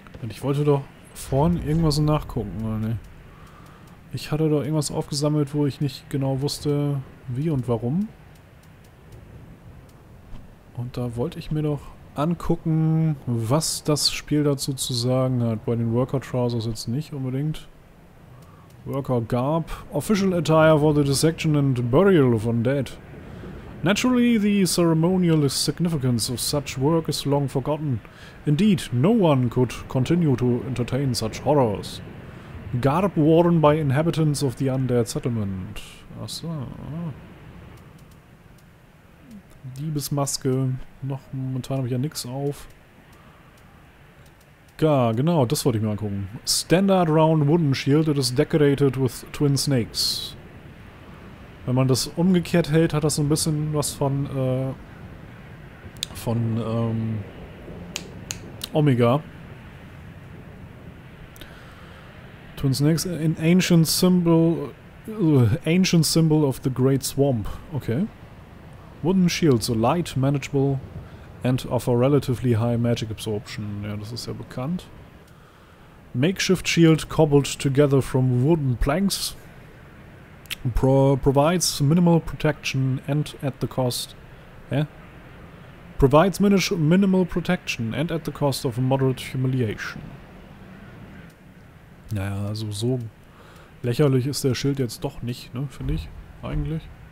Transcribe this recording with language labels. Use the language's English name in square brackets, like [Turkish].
[German] Ich wollte doch vorhin irgendwas nachgucken, oder ne? Ich hatte doch irgendwas aufgesammelt, wo ich nicht genau wusste, wie und warum. Und da wollte ich mir doch angucken, was das Spiel dazu zu sagen hat. Bei den Worker Trousers jetzt nicht unbedingt. Worker Garb. [English] Official attire for the dissection and burial of undead. Naturally, the ceremonial significance of such work is long forgotten. Indeed, no one could continue to entertain such horrors. Garb worn by inhabitants of the undead settlement. [German] Achso. Liebesmaske. Noch momentan habe ich ja nichts auf. Ja, genau, das wollte ich mir angucken. [English] Standard round wooden shield, it is decorated with twin snakes. [German] Wenn man das umgekehrt hält, hat das so ein bisschen was von Omega. [English] Twin snakes, an ancient symbol of the great swamp. Okay. Wooden shield, so light, manageable and offer relatively high magic absorption. [German] Ja, das ist ja bekannt. [English] Makeshift shield cobbled together from wooden planks. Provides minimal protection and at the cost... Provides minimal protection and at the cost of moderate humiliation. [German] Naja, also so lächerlich ist der Schild jetzt doch nicht, ne, finde ich, eigentlich.